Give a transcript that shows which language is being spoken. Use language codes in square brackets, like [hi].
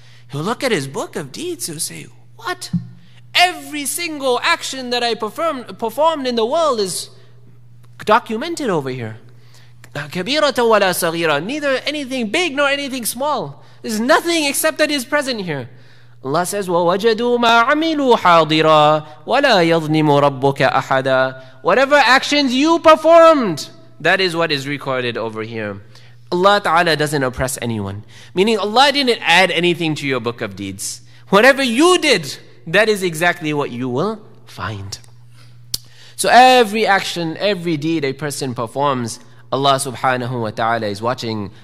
[en] he'll look at his book of deeds, he'll say, what? Every single action that I performed in the world is documented over here. [ar] كَبِيرَةً وَلَا صَغِيرَةً. [en] Neither anything big nor anything small. There's nothing except that is present here. Allah says, [ar] وَوَجَدُوا مَا عَمِلُوا حَاضِرًا وَلَا يَظْنِمُ رَبُّكَ أَحَدًا. [en] Whatever actions you performed, that is what is recorded over here. Allah Ta'ala doesn't oppress anyone. Meaning Allah didn't add anything to your book of deeds. Whatever you did, that is exactly what you will find. So every action, every deed a person performs, Allah Subhanahu wa Ta'ala is watching.